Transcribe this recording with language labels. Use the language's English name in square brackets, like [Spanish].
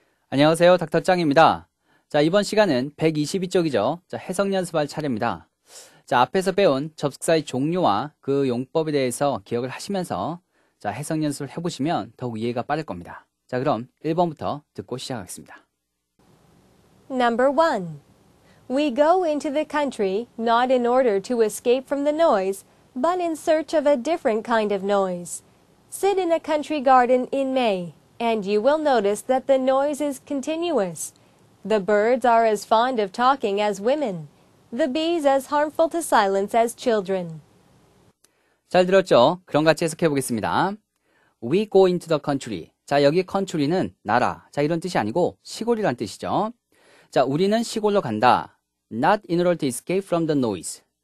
[Korean] 안녕하세요, 닥터 짱입니다. 자, 이번 시간은 122쪽이죠. 자, 해석 연습할 차례입니다. 자, 앞에서 배운 접속사의 종류와 그 용법에 대해서 기억을 하시면서 자, 해석 연습을 해보시면 더욱 이해가 빠를 겁니다. 자, 그럼 1번부터 듣고 시작하겠습니다. [English] Number one. We go into the country not in order to escape from the noise, but in search of a different kind of noise. Sit in a country garden in May, and you will notice that the noise is continuous. The birds are as fond of talking as women, the bees as harmful to silence as children. [Korean] 잘 들었죠? 그럼 같이 해석해 보겠습니다. [English] We go into the country. [Korean] 자, 여기 country는 나라. 자, 이런 뜻이 아니고 시골이란 뜻이죠. 자, 우리는 시골로 간다. [English] Not in order to escape from the noise.